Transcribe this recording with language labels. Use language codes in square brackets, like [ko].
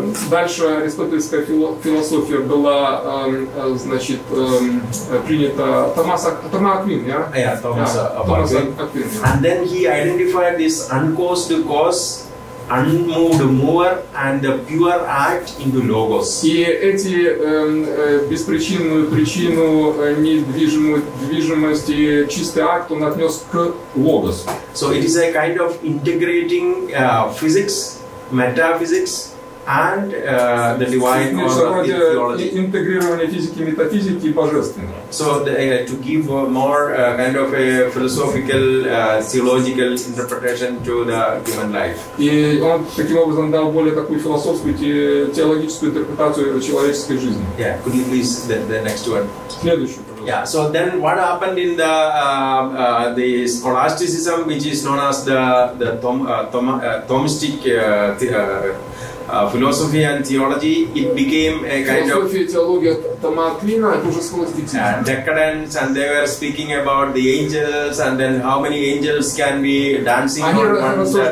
[ru] Дальше аристотельская философия была, значит, принята Томас Аквин. [en] And then he identified this uncaused cause, unmoved mover, and the pure act into logos. [ru] И эти беспричинную причину, недвижимую движимость и чистый акт он отнес к логосу. [en] So it is a kind of integrating physics, metaphysics and the divine or the theology. [ru] Интегрирование физики, метафизики и божественного. [en] So to give more kind of a philosophical, theological interpretation to the human life. [ru] И он таким образом дал более такую философскую, теологическую интерпретацию человеческой жизни. [en] Yeah, could you please the next one? [ru] Следующую, пожалуйста. [en] Yeah, so then what happened in the scholasticism, which is known as the Thomistic philosophy and theology, it became a kind of decadence, and they were speaking about the angels, and then how many angels can be dancing on one